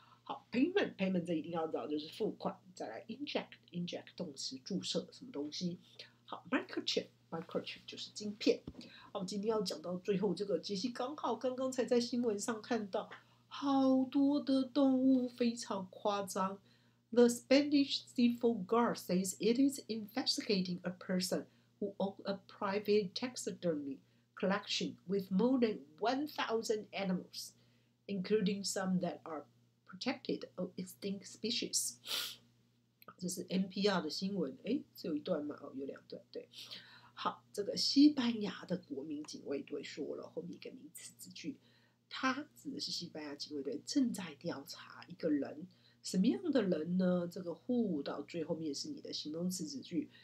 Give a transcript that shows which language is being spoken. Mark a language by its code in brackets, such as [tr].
[zh] 好 ，payment 这一定要知道，就是付款。再来 ，inject 动词注射什么东西。好 ，microchip 就是晶片。好，今天要讲到最后这个，杰西刚好刚刚才在新闻上看到，好多的动物非常夸张。 [en] The Spanish Civil Guard says it is investigating a person who owns a private taxidermy collection with more than 1,000 animals, including some that are protected or extinct species. [zh] 这是 NPR 的新闻，哎，只有一段吗？哦，有两段，对。好，这个西班牙的国民警卫队说了后面一个名词子句，他指的是西班牙警卫队正在调查一个人。什么样的人呢？这个 who 到最后面是你的形容词子句。